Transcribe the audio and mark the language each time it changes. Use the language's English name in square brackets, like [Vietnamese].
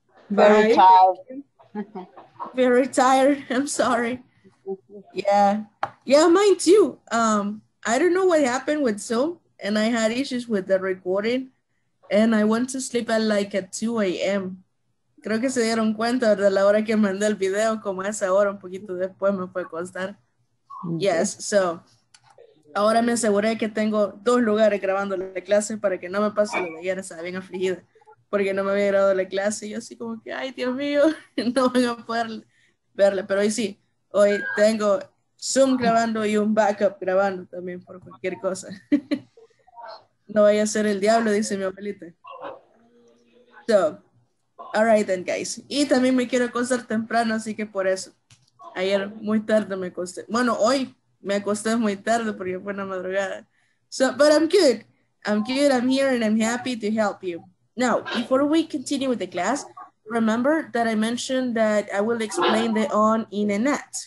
[English] Very tired. Very tired. I'm sorry. Yeah, mine too. I don't know what happened with Zoom, and I had issues with the recording, and I went to sleep at like at 2 a.m. [Spanish] Creo que se dieron cuenta de la hora que mandé el video, como a esa hora, un poquito después me fue a costar. [English] Yes, so [Spanish] ahora me aseguré que tengo dos lugares grabando la clase para que no me pase lo de ayer, estaba bien afligida, porque no me había grabado la clase, y yo así como que, ay, Dios mío, no van a poder verla, pero hoy sí, hoy tengo Zoom grabando y un backup grabando también por cualquier cosa. No vaya a ser el diablo, dice mi abuelita. [English] So, all right then, guys. [Spanish] Y también me quiero acostar temprano, así que por eso. Ayer muy tarde me acosté. Bueno, hoy me acosté muy tarde porque fue una madrugada. [English] So, but I'm good. I'm good. I'm here and I'm happy to help you. Now, before we continue with the class, remember that I mentioned that I will explain the on in a net.